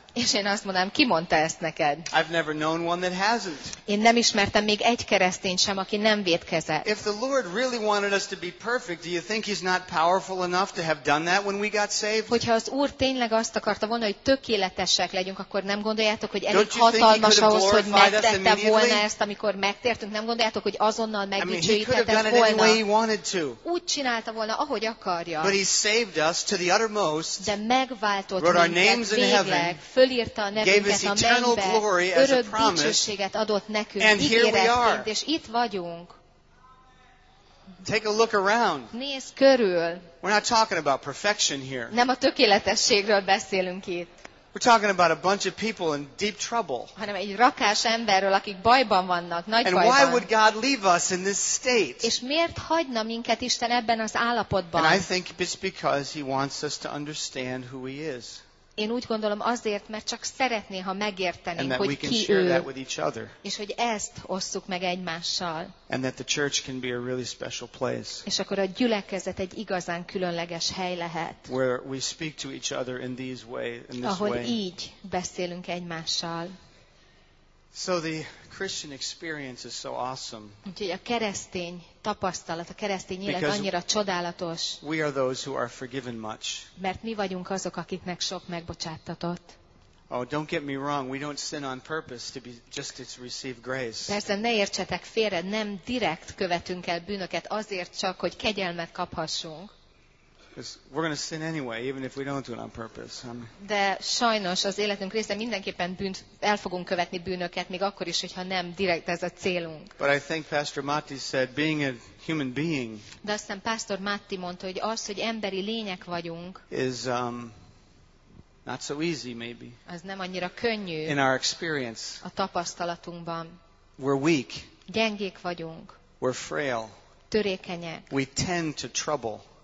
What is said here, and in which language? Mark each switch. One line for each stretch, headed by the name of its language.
Hungarian: És én azt mondanám, ki mondta ezt neked?
English: I've never known one that hasn't.
Hungarian: Én nem ismertem még egy keresztényt sem, aki nem vétkezett.
English: If the Lord really wanted us to be perfect, do you think he's not powerful enough to have done that when we got saved?
Hungarian: Hogyha az Úr tényleg azt akarta volna, hogy tökéletesek legyünk, akkor nem gondoljátok, hogy elég hatalmas ahhoz, hogy megtette volna ezt, amikor megtértünk? Nem gondoljátok, hogy azonnal megdicsőítette volna? Úgy csinálta volna, ahogy akarja.
English: But he saved us to the uttermost.
Hungarian: De megváltott minket végleg. Fölírta a nevünket a mennybe, örök dicsőséget adott nekünk, ígéretként, és itt vagyunk.
English: Take a look around.
Hungarian: Nézz körül.
English: We're not talking about perfection here.
Hungarian: Nem a tökéletességről beszélünk itt.
English: We're talking about a bunch of people in deep trouble.
Hungarian: Hanem egy rakás emberről, akik bajban vannak, nagy
English: and
Hungarian: bajban.
English: Why would God leave us in this state?
Hungarian: És miért hagyna minket Isten ebben az állapotban?
English: And I think it's because he wants us to understand who he is.
Hungarian: Én úgy gondolom azért, mert csak szeretné, ha megértenénk, hogy ki ő, és hogy ezt osszuk meg egymással.
English: And that the church can be a really special place.
Hungarian: És akkor a gyülekezet egy igazán különleges hely lehet.
English: Where we speak to each other in these way, in this
Hungarian: ahogy
English: way.
Hungarian: Így beszélünk egymással.
English: So the Christian experience is so awesome.
Hungarian: Úgyhogy a keresztény tapasztalat, a keresztény élet annyira csodálatos.
English: We are those who are forgiven much.
Hungarian: Mert mi vagyunk azok, akiknek sok megbocsáttatott.
English: Oh, don't get me wrong. We don't sin on purpose to be just to receive grace.
Hungarian: Persze, ne értsetek félre, nem direkt követünk el bűnöket azért csak, hogy kegyelmet kaphassunk.
English: We're going to sin anyway, even if we don't do it on purpose.
Hungarian: De sajnos az életünk része mindenképpen bűnt, el fogunk követni bűnöket, még akkor is, hogyha nem direkt ez a célunk.
English: But I think Pastor Matti said, being a human being.
Hungarian: De aztán Pastor Matti mondta, hogy az, hogy emberi lények vagyunk.
English: Is not so easy, maybe.
Hungarian: Az nem annyira könnyű.
English: In our experience.
Hungarian: A tapasztalatunkban.
English: We're weak.
Hungarian: Gyengék vagyunk.
English: We're frail.
Hungarian: Törékenyek.
English: We tend to trouble.